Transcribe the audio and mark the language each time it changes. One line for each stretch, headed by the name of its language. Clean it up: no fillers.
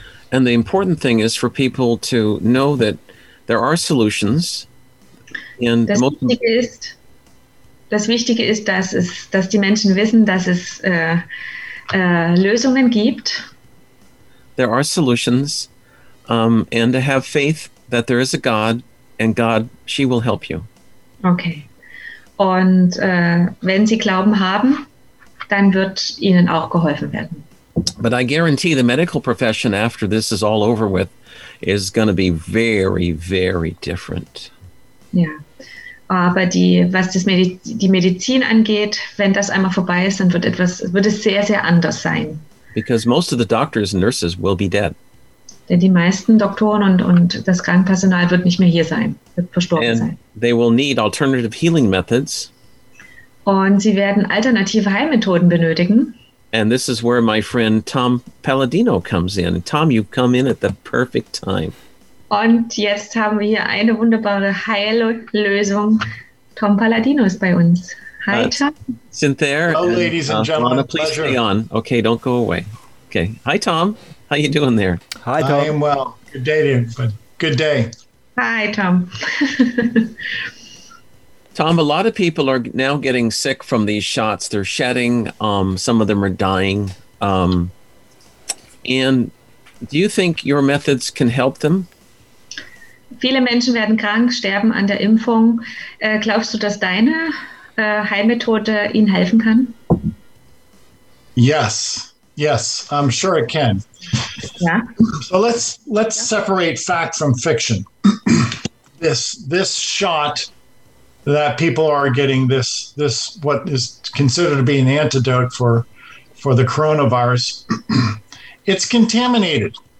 English: And the important thing is for people to know that there are solutions.
German: And das Wichtige ist, dass die Menschen wissen, dass es Lösungen gibt.
English: There are solutions and to have faith that there is a God and God, she will help you. Okay.
German: Und wenn sie Glauben haben, dann wird ihnen auch geholfen werden.
English: But I guarantee the medical profession after this is all over with is going to be very, very different.
German: Ja, aber was die Medizin angeht, wenn das einmal vorbei ist, dann wird es sehr, sehr anders sein.
English: Because most of the doctors and nurses will be dead.
German: Denn die meisten Doktoren und das Krankenpersonal wird nicht mehr hier sein, wird verstorben
English: and
German: sein.
English: They will need alternative healing methods.
German: Und sie werden alternative Heilmethoden benötigen.
English: And this is where my friend Tom Palladino comes in. Tom, you come in at the perfect time.
German: Und jetzt haben wir hier eine wunderbare Heillösung. Tom Palladino ist bei uns.
English: Hi, Tom. Cynthia. Hello, ladies and gentlemen. Lana, please stay on. Okay, don't go away. Okay. Hi, Tom. How you doing there? Hi, Tom. I am well. Good day to you. Good day. Hi, Tom. Tom, a lot of people are now getting sick from these shots. They're shedding. Some of them are dying. And do you think your methods can help them?
German: Viele Menschen werden krank, sterben an der Impfung. Glaubst du, dass deine Heilmethode ihnen helfen kann?
English: Yes. Yes, I'm sure it can.
German: Ja.
English: So let's separate fact from fiction. This shot that people are getting, this what is considered to be an antidote for the coronavirus, it's contaminated.